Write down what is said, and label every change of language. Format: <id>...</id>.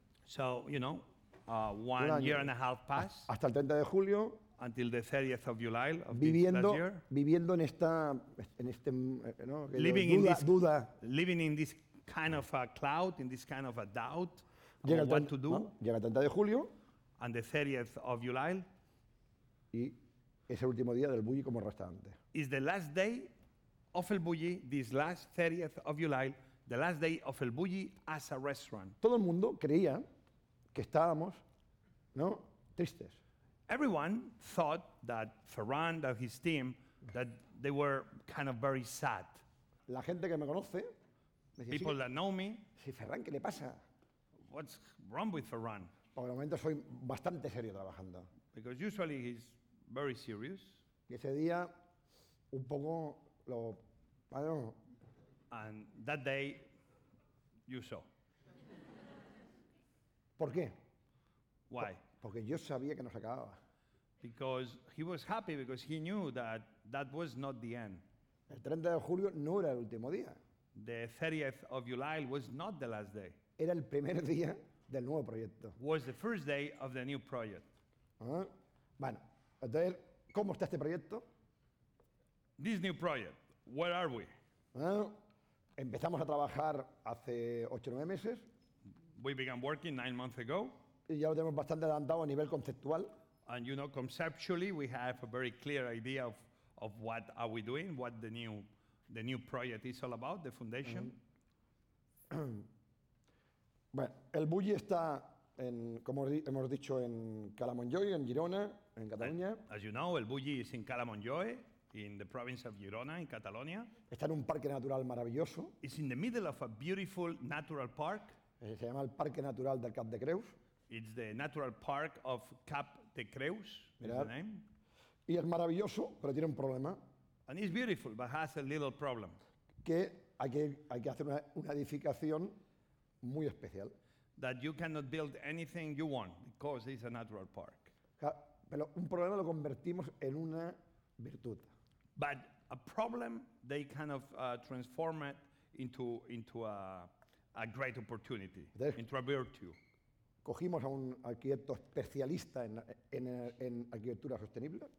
<en>So, you know, one year and a half passed.</en> <es>Hasta el 30 de julio.</es> <en>Until the 30th of July of this year.</en> <es>Viviendo en esta, en este, no,</es> <en>living</en> <es>duda,</es> <en>in this,</en> <es>duda.</es> <en>Living in this kind of a cloud, in this kind of a doubt of what to do.</en> <es>Llega el 30 de julio.</es> <en>And the 30th of July.</en> <es>Y es el último día del bulli como restaurante.</es> <en>Is the last day of el bulli, this last 30th of July, the last day of el bulli as a restaurant.</en> <es>Todo el mundo creía que estábamos, ¿no?, tristes.</es> <en>Everyone thought that Ferran, that his team, that they were kind of very sad.</en> <es>La gente que me conoce, me decía,</es> <en>people that know me.</en> <es>Sí, Ferran, ¿qué le pasa?</es> <en>What's wrong with Ferran?</en> <es>Por el momento soy bastante serio trabajando.</es> <en>Because usually he's very serious.</en> <es>Y ese día, un poco lo, bueno.</es> <en>And that day, you saw.</en> <es>¿Por qué?</es> <en>Why?</en> <es>Porque yo sabía que no se acababa.</es> <en>Because he was happy because he knew that that was not the end.</en> <es>El 30 de julio no era el último día.</es> <en>The 30th of July was not the last day.</en> <es>Era el primer día del nuevo proyecto.</es> <en>Was the first day of the new project.</en> <es>Bueno, entonces, ¿cómo está este proyecto?</es> <en>This new project, where are we?</en> <es>Bueno, empezamos a trabajar hace 8 o 9 meses.</es> <en>We began working 9 months ago.</en> <es>Y ya lo tenemos bastante adelantado a nivel conceptual.</es> <en>And you know, conceptually, we have a very clear idea of what are we doing, what the new project is all about, the foundation. Mm-hmm.</en> <es>Bueno, el bulli está en, como hemos dicho, en Calamonjoy, en Girona, en Cataluña.</es> <en>As you know, el bulli is in Calamonjoy, in the province of Girona, in Catalonia.</en> <es>Está en un parque natural maravilloso.</es> <en>It's in the middle of a beautiful natural park.</en> <es>Se llama el Parque Natural del Cap de Creus.</es> <en>It's the natural park of Cap de Creus, mirad, is the name.</en> <es>Y es maravilloso, pero tiene un problema.</es> <en>And it's beautiful, but has a little problem.</en> <es>Que hay que hacer una edificación muy especial.</es> <en>That you cannot build anything you want, because it's a natural park.</en> <es>Pero un problema lo convertimos en una virtud.</es> <en>But a problem, they kind of transform it into a great opportunity, into a virtue.</en> <es>Cogimos a un arquitecto especialista en arquitectura sostenible.</es>